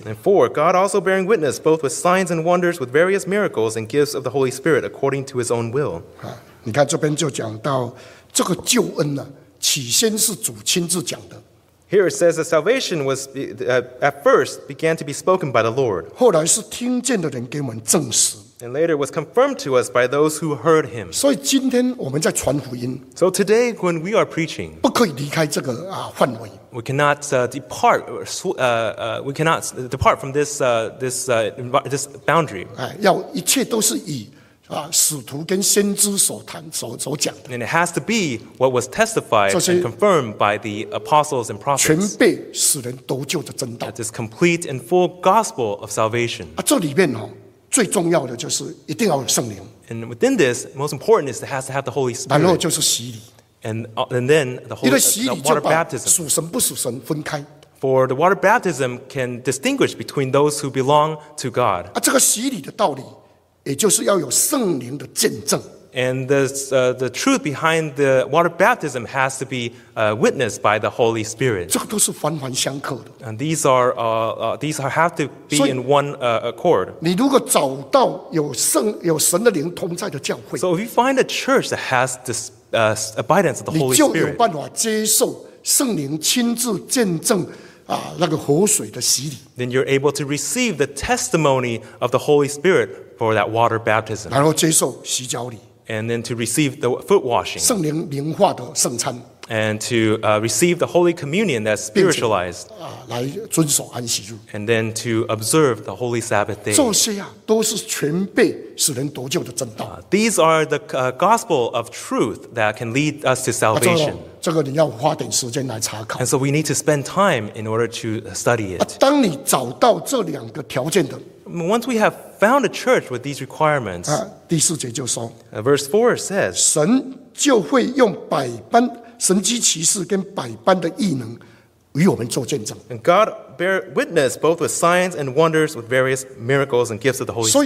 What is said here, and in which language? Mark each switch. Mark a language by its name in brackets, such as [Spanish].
[English] And four, God also bearing witness both with signs and wonders, with various miracles and gifts of the Holy Spirit according to his own will. [Chinese] 你看这边就讲到这个救恩呢，起先是主亲自讲的。 [English] Here it says that salvation was at first began to be spoken by the Lord. [Chinese] 后来是听见的人给我们证实。 [English] And later was confirmed to us by those who heard him. [Chinese] 所以今天我们在传福音。 [English] So today, when we are preaching, [Chinese] 不可以离开这个范围。 [English] We cannot depart. We cannot depart from this boundary. [Chinese] 要一切都是以使徒跟先知所谈所讲的。 [English] And it has to be what was testified and confirmed by the apostles and prophets. [Chinese] 全备使人得救的真道。 [English] That is complete and full gospel of salvation. [Chinese] 这里面哦。最重要的就是一定要有圣灵。 [English] And within this, most important is it has to have the Holy Spirit. [Chinese] 然后就是洗礼。 [English] And then the Holy Spirit, the water baptism. [Chinese] 属神不属神分开。 [English] For the water baptism can distinguish between those who belong to God. [Chinese] 这个洗礼的道理，也就是要有圣灵的见证。 [English] And the truth behind the water baptism has to be witnessed by the Holy Spirit. [Chinese] 这个都是环环相扣的。 [English] And these are have to be in one accord. [Chinese] 你如果找到有神的灵同在的教会 [English] ，So if you find a church that has this abidance of the Holy Spirit, [Chinese] 你就有办法接受圣灵亲自见证那个活水的洗礼。 [English] Then you're able to receive the testimony of the Holy Spirit for that water baptism. [Chinese] 然后接受洗脚礼。 [English] And then to receive the foot washing. [Chinese] 圣灵灵化的圣餐。 [English] And to receive the Holy Communion that's spiritualized. [Chinese] 来遵守安息日。 [English] And then to observe the Holy Sabbath day. [Chinese] 这些都是全备使人得救的正道。 [English] These are the gospel of truth that can lead us to salvation. [Chinese] 这个你要花点时间来查考。 [English] And so we need to spend time in order to study it. [Chinese] 当你找到这两个条件的。 [English] Once we have found a church with these requirements, [Chinese] 第四节就说, [English] verse 4 says, [Chinese] 神就会用百般神迹奇事跟百般的异能与我们做见证。 [English] And God bear witness both with signs and wonders with various miracles and gifts of the Holy Spirit.